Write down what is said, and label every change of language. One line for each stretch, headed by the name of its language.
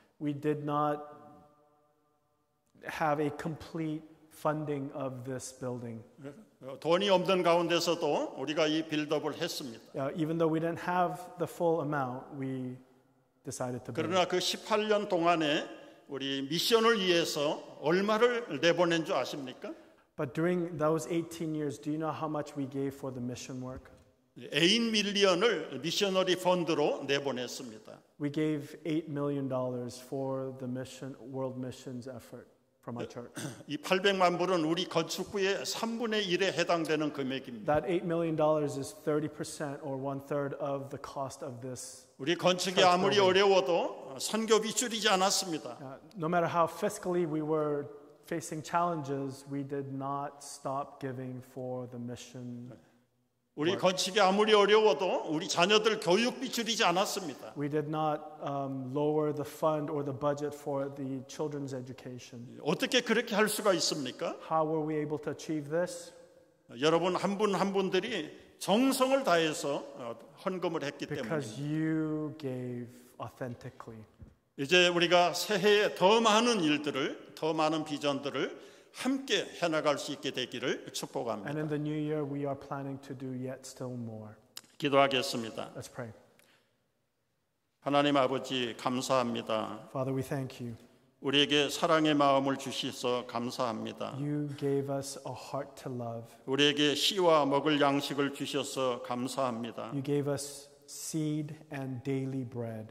English: We did not have a complete funding of this building.
Korean: 돈이 없는 가운데서도 우리가 이 빌드업을 했습니다.
English: Even though we didn't have the full amount, we decided to build.
Korean: 그러나 그 18년 동안에 우리 미션을 위해서 얼마를 내보낸 줄 아십니까?
English: But during those 18 years, do you know how much we gave for the mission work? 8 million
Korean: 을 미셔너리 펀드로 내보냈습니다.
English: We gave $8 million for the mission world missions effort from our church.
Korean: 이 800만 불은 우리 건축비의 3분의 1에 해당되는 금액입니다.
English: That $8 million is 30% or 1/3 of the cost of this.
Korean: 우리 건축이 아무리 어려워도 선교비 줄이지 않았습니다.
English: No matter how fiscally we were facing challenges, we did not stop giving for the mission.
Korean: 우리 건축이 아무리 어려워도 우리 자녀들 교육비 줄이지 않았습니다.
English: We did not lower the fund or the budget for the children's education.
Korean: 어떻게 그렇게 할 수가 있습니까?
English: How were we able to achieve this?
Korean: 여러분 한 분 한 분들이 정성을 다해서 헌금을 했기 때문에.
English: Because you gave authentically.
Korean: 이제 우리가 새해에 더 많은 일들을 더 많은 비전들을 함께 해나갈 수 있게 되기를 축복합니다.
English: And in the new year, we are planning to do yet still more.
Korean: 기도하겠습니다.
English: Let's pray.
Korean: 하나님 아버지 감사합니다.
English: Father, we thank you.
Korean: 우리에게 사랑의 마음을 주셔서 감사합니다.
English: You gave us a heart to love.
Korean: 우리에게 씨와 먹을 양식을 주셔서 감사합니다.
English: You gave us seed and daily bread.